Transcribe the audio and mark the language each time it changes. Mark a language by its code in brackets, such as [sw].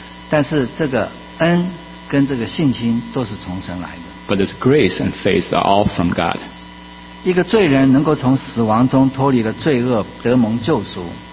[zh] 但是这个恩跟这个信心都是从神来的。 [en] But it's grace and faith are all from God. [zh] 一个罪人能够从死亡中脱离了罪恶，得蒙救赎。